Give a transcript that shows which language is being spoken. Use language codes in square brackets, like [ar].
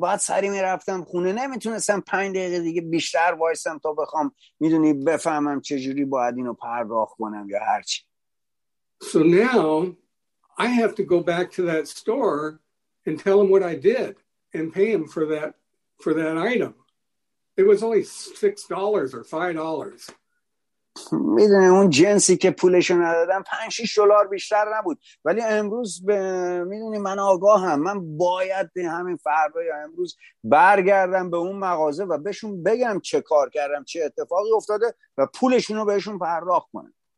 [fa] بعد سری میرفتم خونه، نمیتونستم 5 دقیقه دیگه بیشتر وایسم تا بخوام میدونی بفهمم چجوری باید اینو پرداخت کنم یا هر چی. [en] So now I have to go back to that store and tell them what I did and pay them for that item. It was only $6 or $5. [fa] میدونه اون جنسی که پولشو ندادم 5-6 دلار بیشتر نبود، ولی امروز میدونی من آگاهم، من باید همین فردا یا امروز برگردم به اون مغازه و بهشون بگم چه کار کردم، چه اتفاقی افتاده و پولشونو بهشون پرداخت کنم.